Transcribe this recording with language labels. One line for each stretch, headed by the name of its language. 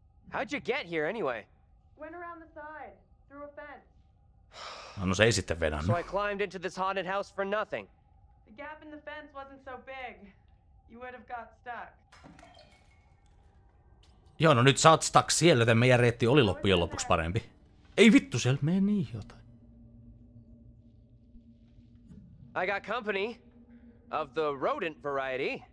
English: How'd you get here anyway? Went around the side, through a fence.
Finnish: No se ei sitten vedänny.
English: So I climbed into this haunted house for nothing. The gap in the fence wasn't so big. You would have got stuck.
Finnish: Joo, no nyt sä oot stuck siellä, joten meidän reitti oli loppujen lopuksi parempi. Ei vittu, siellä meni jotain.
English: I got company of the rodent variety.